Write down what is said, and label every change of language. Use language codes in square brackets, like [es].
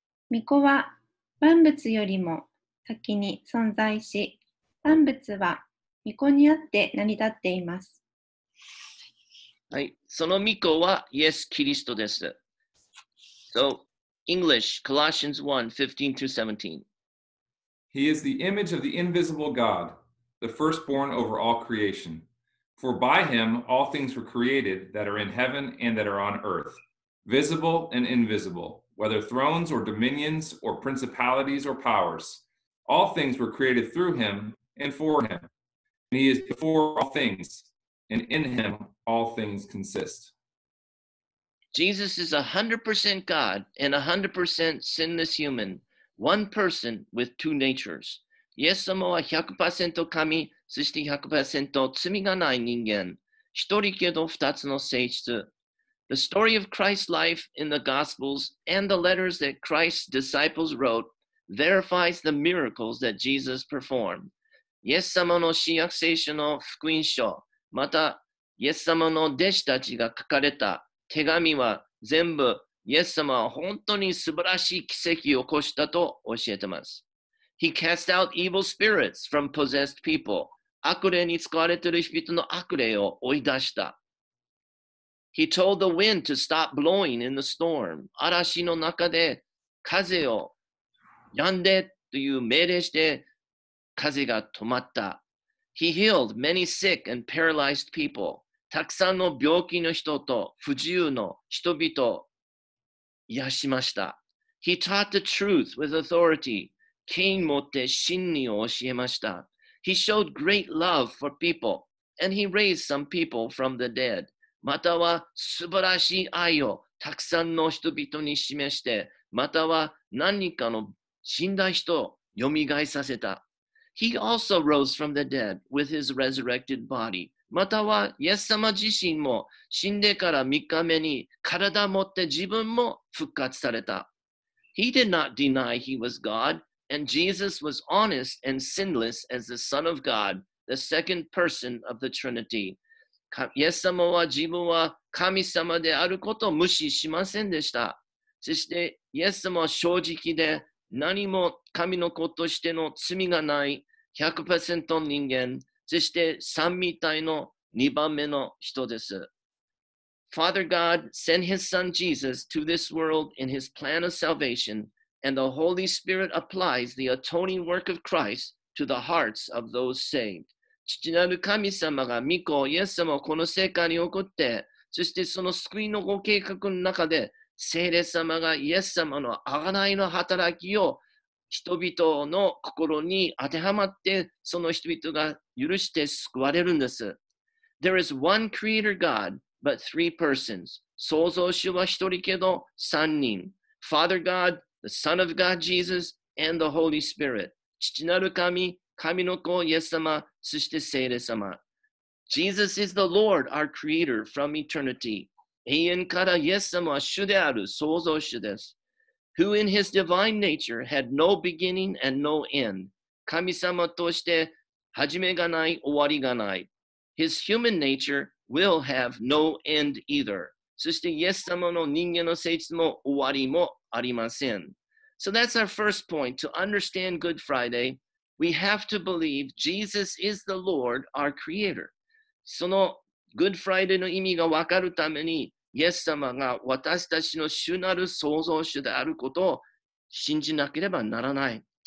[ja] 御子は万物よりも先に存在し、万物は御子によって成り立っています。はい、その御子はイエス・キリストです。 [en] So, English, Colossians 1:15-17. He is the image of the invisible God, the firstborn over all creation. For by him all things were created that are in heaven and that are on earth, visible and invisible, whether thrones or dominions or principalities or powers. All things were created through him and for him. And he is before all things, and in him all things consist. Jesus is 100% God and 100% sinless human. One person with two natures. [ja] イエス様は 100% 神、そして 100% 罪がない人間。一人けど二つの性質。 [en] The story of Christ's life in the Gospels and the letters that Christ's disciples wrote verifies the miracles that Jesus performed. [ja] イエス様の新約聖書の福音書、またイエス様の弟子たちが書かれた手紙は全部イエス様は本当に素晴らしい奇跡を起こしたと教えています。 [en] He cast out evil spirits from possessed people. [ja] 悪霊に使われている人々の悪霊を追い出した。 [en] He told the wind to stop blowing in the storm. [ja] 嵐の中で風を止んでという命令して風が止まった。 [en] He healed many sick and paralyzed people. [ja] たくさんの病気の人と不自由の人々癒しました。 [en] He taught the truth with authority. [ja] 権威持って真理を教えました。 [en] He showed great love for people. And he raised some people from the dead. [ja] または素晴らしい愛をたくさんの人々に示して、または何人かの死んだ人を蘇させた。 [en] He also rose from the dead with his resurrected body. [ja] またはイエス様自身も死んでから3日目に体を持って自分も復活された。 [en] He did not deny he was God, and Jesus was honest and sinless as the Son of God, the second person of the Trinity. [ja] イエス様は自分は神様であることを無視しませんでした。そしてイエス様は正直で何も神の子としての罪がない 100% 人間、そして三位一体の二番目の人です。 [en] Father God sent his son Jesus to this world in his plan of salvation, and the Holy Spirit applies the atoning work of Christ to the hearts of those saved. [ja] 父なる神様が御子イエス様をこの世界に送って、そしてその救いのご計画の中で、聖霊様がイエス様の贖いの働きを人々の心に当てはまって、その人々が許して救われるんです。 [en] There is one creator God, but three persons. [ja] 創造主は一人けど三人。 [en] Father God, the Son of God Jesus, and the Holy Spirit. [ja] 父なる神、神の子イエス様、そして聖霊様。 [en] Jesus is the Lord, our creator, from eternity. [ja] 永遠からイエス様は主である創造主です。 [en] Who in his divine nature had no beginning and no end. [ja] 神様として始めがない、終わりがない。 [en] His human nature will have no end either. [ja] そしてイエス様の人間の性質も終わりもありません。 [en] So that's our first point to understand Good Friday. We have to believe Jesus is the Lord, our creator. [ja] その Good Friday の意味がわかるためにイエス様が私たちの主なる創造主であることを信じなければならない。